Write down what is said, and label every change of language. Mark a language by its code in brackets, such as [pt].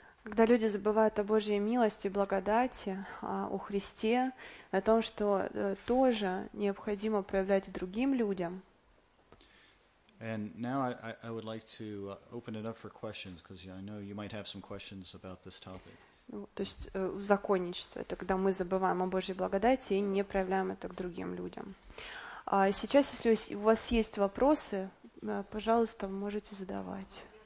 [ru] Когда люди забывают о Божьей милости, благодати, о Христе, о том, что тоже необходимо проявлять другим людям. [en] And now I would like to open it up for questions, because I know you might have some questions about this topic. [ru] То есть законничество, это когда мы забываем о Божьей благодати и не проявляем это к другим людям. Сейчас, если у вас есть вопросы, пожалуйста, можете задавать.